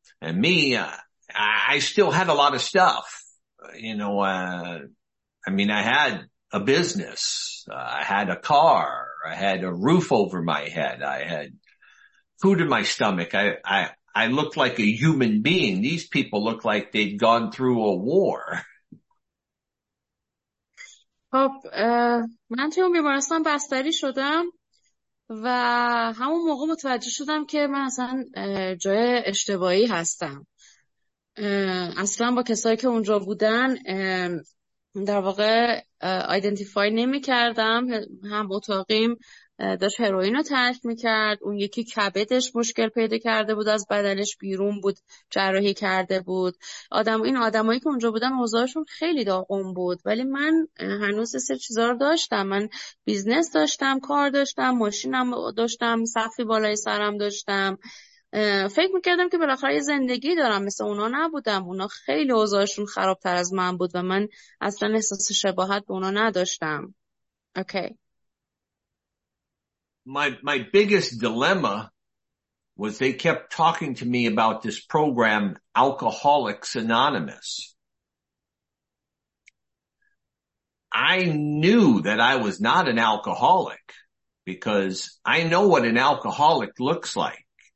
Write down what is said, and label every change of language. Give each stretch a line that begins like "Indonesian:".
English: And me, I still had a lot of stuff, you know, I had a business, I had a car, I had a roof over my head, I had food in my stomach. I looked like a human being. These people look like they'd gone through a war.
Persian: خب من توی اون بیمارستان بستری شدم و همون موقع متوجه شدم که من اصلا جای اشتباهی هستم. اصلا با کسایی که اونجا بودن در واقع آیدنتیفای نمی کردم. هم اتاقیم داشت هروئین رو ترک میکرد، اون یکی کبدش مشکل پیدا کرده بود، از بدنش بیرون بود، جراحی کرده بود. آدمایی که اونجا بودن اوضاعشون خیلی داغون بود، ولی من هنوز سه چیزا رو داشتم. من بیزنس داشتم، کار داشتم، ماشینم داشتم، سقفی بالای سرم داشتم. فکر میکردم که بالاخره یه زندگی دارم، مثل اونا نبودم. اونا خیلی اوضاعشون خرابتر از من بود و من اصلا احساس شباهت به اونا نداشتم.
English: Okay. My biggest dilemma was they kept talking to me about this program, Alcoholics Anonymous. I knew that I was not an alcoholic because I know what an alcoholic looks like.